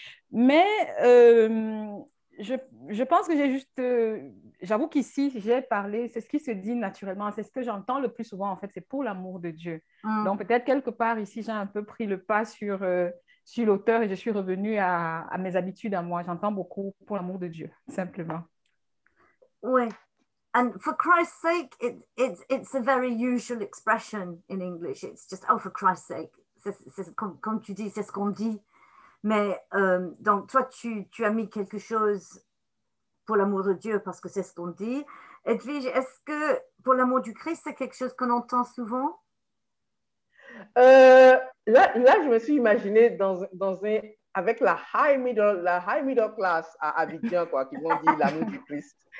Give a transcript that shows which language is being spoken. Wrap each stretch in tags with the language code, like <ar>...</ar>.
<fr>Mais je pense que j'ai juste... j'avoue qu'ici, j'ai parlé, c'est ce qui se dit naturellement, c'est ce que j'entends le plus souvent, en fait, c'est pour l'amour de Dieu. Mm. Donc, peut-être quelque part ici, j'ai un peu pris le pas sur l'auteur et je suis revenue à mes habitudes à moi. J'entends beaucoup pour l'amour de Dieu, simplement. Oui.</fr> <en>And for Christ's sake, it's a very usual expression in English. It's just, oh, for Christ's sake.</en> <fr>Comme tu dis, c'est ce qu'on dit. Mais donc, toi, tu as mis quelque chose... pour l'amour de Dieu, parce que c'est ce qu'on dit. Edwige, est-ce que pour l'amour du Christ, c'est quelque chose qu'on entend souvent? Là, je me suis imaginée avec la</fr> <en>high middle class</en> <fr>à Abidjan, quoi, qui vont dire l'amour du Christ.</fr>